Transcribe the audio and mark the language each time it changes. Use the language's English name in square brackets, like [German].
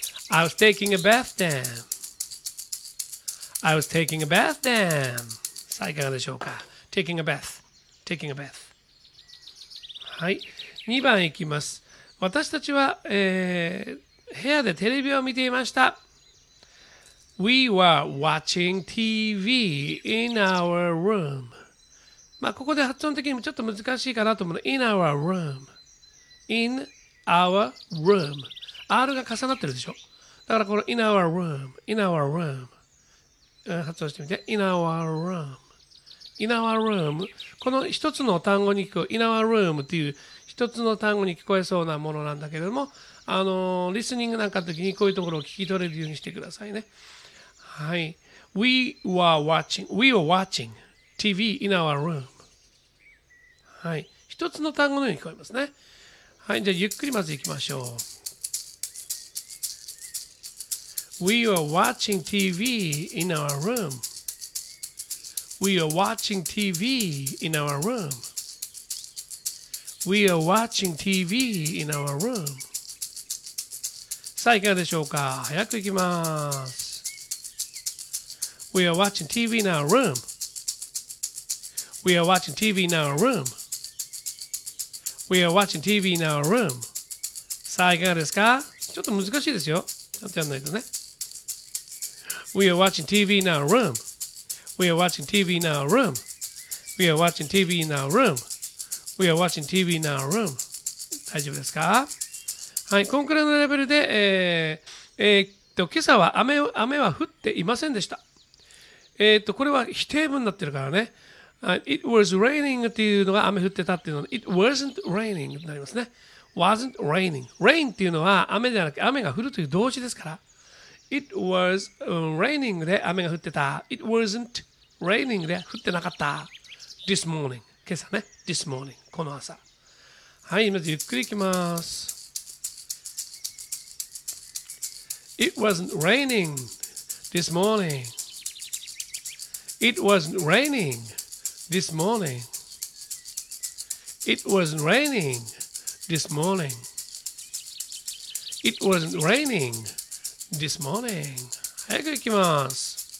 [English] I was taking a bath then. I was taking a bath then. [Japanese] さあ、いかがでしょうか。 [English] Taking a bath. Taking a bath. [Japanese] はい。2番いきます。私たちは、部屋でテレビを見ていました。 [English] We were watching TV in our room. [Japanese] まあ、ここで発音的にもちょっと難しいかなと思うの。 [English] In our room. In our room. [Japanese] R が重なってるでしょ。だから、この [English] in our room. In our room. [Japanese] 発音してみて。 [English] in our room. in our room. [Japanese] この一つの単語に聞こえ、 [English] in our room [Japanese] っていう一つの単語に聞こえそうなものなんだけれども、リスニングなんかの時にこういうところを聞き取れるようにしてくださいね。はい。 [English] we were watching, we were watching TV in our room. [Japanese] はい。一つの単語のように聞こえますね。はい。じゃあ、ゆっくりまず行きましょう。 [English] We are watching TV in our room. We are watching TV in our room. We are watching TV in our room. [Japanese] さあ、いかがでしょうか。早く行きます。 [English] We are watching TV in our room. We are watching TV in our room. We are watching TV in our room. [Japanese] さあ、いかがですか。ちょっと難しいですよ。ちょっとやんないとね。 [English] We are watching TV in our room. We are watching TV in our room. We are watching TV in our room. We are watching TV in our room. [Japanese] 大丈夫ですか？はい、こんくらいのレベルで、今朝は雨は降っていませんでした。これは否定文になってるからね。 [English] It was raining [Japanese] っていうのが雨降ってたっていうのは、 [English] It wasn't raining [Japanese] になりますね。 [English] Wasn't raining. [Japanese] Rain っていうのは雨ではなく雨が降るという動詞ですから。 [English] It was raining [Japanese] で雨が降ってた。 [English] It wasn't raining [Japanese] で降ってなかった。 [English] This morning. [Japanese] 今朝ね。 [English] This morning. [Japanese] この朝。はい、まずゆっくり行きます。 [English] It wasn't raining this morning. It wasn't raining this morning. It wasn't raining this morning. It wasn't raining. This morning. [Japanese] 早く行きます。